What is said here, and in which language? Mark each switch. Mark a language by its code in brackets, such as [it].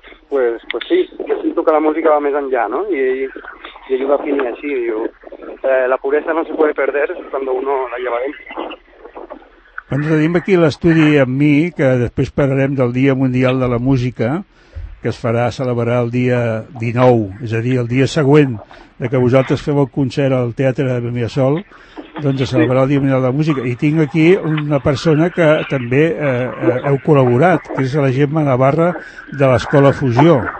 [ca] Pues sí, jo sento que la música va més enllà, no? I ell ho definia així, diu, [es] la puresa no se puede perder cuando uno la lleva dentro. [ca] Quan tenim aquí l'estudi amb mi, que després parlarem del Dia Mundial de la Música, que es farà celebrar el dia 19, és a dir, el dia següent de que vosaltres feu el concert al Teatre de Mirasol, doncs a celebrar el Dia Mundial de la Música. I tinc aquí una persona que també heu col·laborat, que és la Gemma Navarra de l'Escola Fusió.